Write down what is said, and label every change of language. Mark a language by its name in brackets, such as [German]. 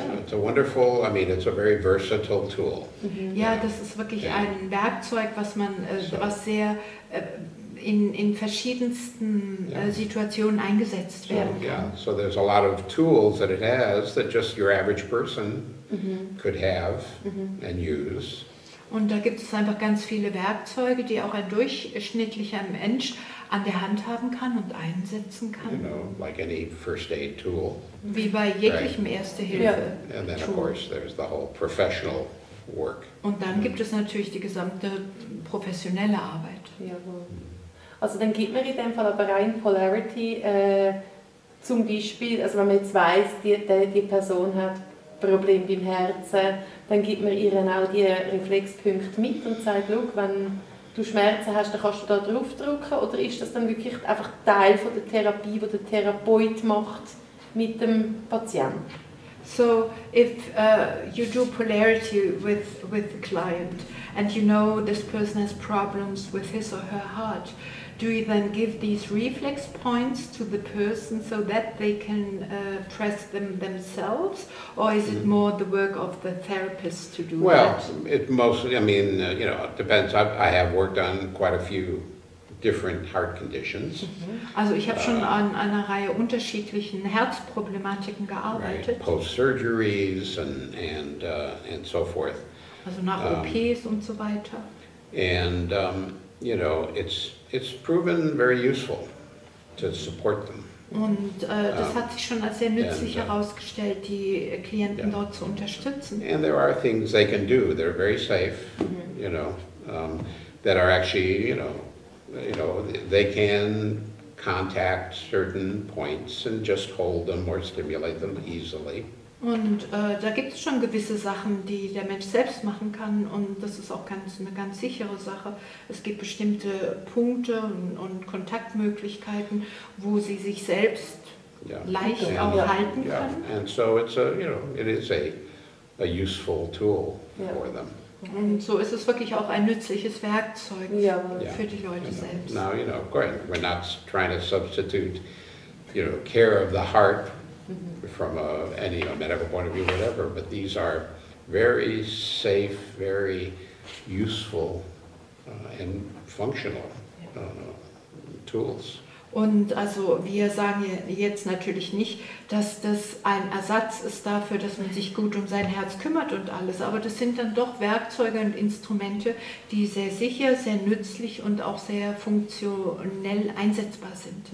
[English] Yeah, it's a wonderful, I mean, it's a very versatile tool. Mm-hmm. [German] Yeah, das ist wirklich ein Werkzeug, was man was sehr in verschiedensten Situationen eingesetzt werden kann. [English] Yeah, so there's a lot of tools that it has that just your average person mm-hmm. could have mm-hmm. and use. [German] Und da gibt es einfach ganz viele Werkzeuge, die auch ein durchschnittlicher Mensch an der Hand haben kann und einsetzen kann. [English] You know, like any first aid tool. [German] Wie bei jeglichem Erste-Hilfe-Tool. [English] And then of course there's the whole professional work. [German] Und dann gibt es natürlich die gesamte professionelle Arbeit. Jawohl. Also dann gibt man in dem Fall aber rein Polarity zum Beispiel, also wenn man jetzt weiss, die Person hat Problem beim Herzen, dann gibt man ihnen auch die Reflexpunkte mit und sagt, look, wenn du Schmerzen hast, dann kannst du da drauf drücken, oder ist das dann wirklich einfach Teil von der Therapie, die der Therapeut macht mit dem Patienten? [English] So, if you do polarity with the client and you know this person has problems with his or her heart, do you then give these reflex points to the person so that they can press them themselves, or is it more the work of the therapist to do that? Well, it mostly, I mean, you know, it depends. I have worked on quite a few different heart conditions. Mm-hmm. [German] Also, ich habe schon an einer Reihe unterschiedlichen Herzproblematiken gearbeitet. [English] Right. Post-surgeries and so forth. [German] Also nach OPs und so weiter. [English] And you know, it's proven very useful to support them. [German] Und das hat sich schon als sehr nützlich herausgestellt, die Klienten dort zu unterstützen. [English] And there are things they can do that are very safe, you know, that are actually, you know, they can contact certain points and just hold them or stimulate them easily. [German] Und da gibt es schon gewisse Sachen, die der Mensch selbst machen kann, und das ist auch eine ganz sichere Sache. Es gibt bestimmte Punkte und Kontaktmöglichkeiten, wo sie sich selbst leicht auch halten können. [English] And so it's a, you know, it is a useful tool for them. [German] Und so ist es wirklich auch ein nützliches Werkzeug für die Leute selbst. [English] Now, you know, great. We're not trying to substitute, you know, care of the heart from a medical point of view, whatever, but these are very safe, very useful and functional tools. [German] Und also wir sagen jetzt natürlich nicht, dass das ein Ersatz ist dafür, dass man sich gut um sein Herz kümmert und alles, aber das sind dann doch Werkzeuge und Instrumente, die sehr sicher, sehr nützlich und auch sehr funktionell einsetzbar sind.